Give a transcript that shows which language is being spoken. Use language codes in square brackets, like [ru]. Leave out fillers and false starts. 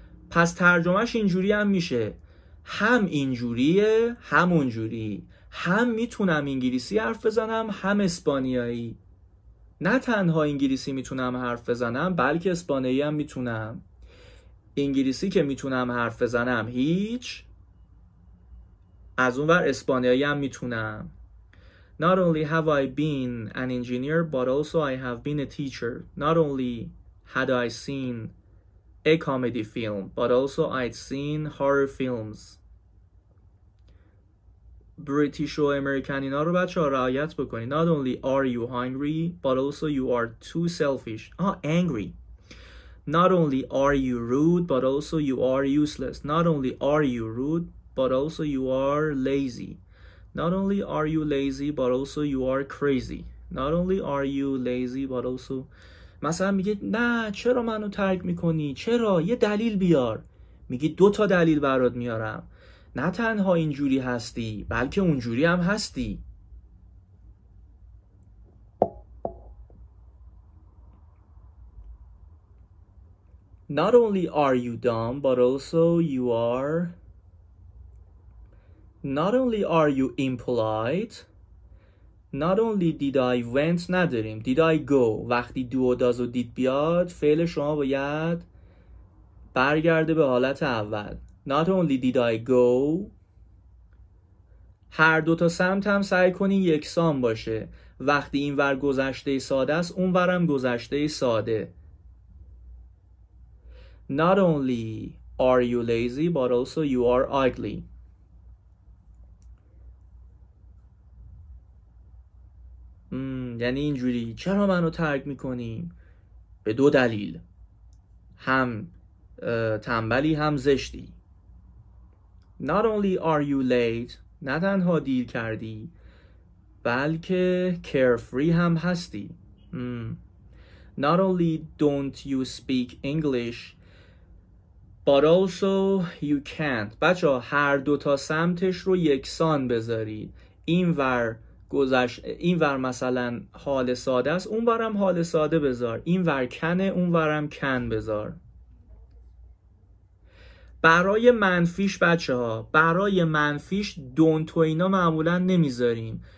[fa] پس ترجمهش اینجوری هم میشه، هم اینجوریه هم اونجوری، هم میتونم انگلیسی حرف بزنم هم اسپانیایی. نه تنها انگلیسی میتونم حرف بزنم بلکه اسپانیایی هم میتونم. انگلیسی که میتونم حرف بزنم هیچ، از اون ور اسپانیایی هم میتونم. [en] Not only have I been an engineer but also I have been a teacher. Not only had I seen a comedy film, but also I'd seen horror films. [fa] British و American اینا رو بچه ها رعایت بکنید. [en] Not only are you hungry, but also you are too selfish. Angry. Not only are you rude, but also you are useless. Not only are you rude, but also you are lazy. Not only are you lazy, but also you are crazy. Not only are you lazy, but also... [fa] مثلا میگه نه چرا منو ترک میکنی؟ چرا؟ یه دلیل بیار. میگه دو تا دلیل برات میارم. نه تنها اینجوری هستی، بلکه اونجوری هم هستی. [en] Not only are you dumb, but also you are... Not only are you impolite... Not only did I went [fa] نداریم. [en] Did I go. [fa] وقتی do و does و did بیاد، فعل شما باید برگرده به حالت اول. [en] Not only did I go. [fa] هر دو تا سمت هم سعی کنی یکسان باشه. وقتی این ور گذشته ساده است، اون ور هم گذشته ساده. [en] Not only are you lazy, but also you are ugly. [fa] یعنی اینجوری چرا منو ترک میکنیم؟ به دو دلیل، هم تنبلی هم زشتی. [en] Not only are you late، [fa] نه تنها دیر کردی، بلکه carefree هم هستی. [en] Not only don't you speak English، but also you can't. [fa] بچه هر دو تا سمتش رو یکسان بذارید. اینور گذشت، این ور مثلا حال ساده است، اون ورم حال ساده بذار. این ور کنه، اون ورم کن بذار. برای منفیش بچه ها، برای منفیش don't و اینا معمولا نمیذاریم.